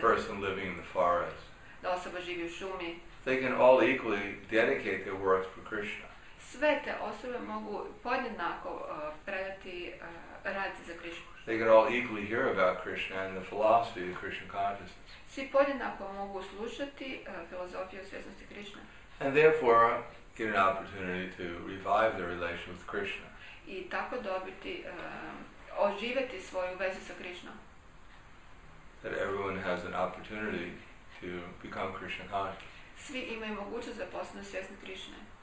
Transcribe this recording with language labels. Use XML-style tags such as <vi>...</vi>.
<en>Person living in the forest.</en> <hr>Da osoba živi u šumi.</hr> <en>They can all equally dedicate their works for Krishna.</en> <hr>Sve te osobe mogu podjednako predati raditi za Krishnu.</hr> <en>They can all equally hear about Krishna and the philosophy of Krishna consciousness.</en> <hr>Svi podjednako mogu slušati filozofiju svjesnosti Krishna.</hr> <en>And therefore get an opportunity to revive their relation with Krishna.</en> <hr>I tako dobiti oživjeti svoju vezu sa Krishnom.</hr> <en>That everyone has an opportunity to become Krishna conscious.</en> <hr>Svi imaju mogućnost da postanu svjesni Krishne.</hr>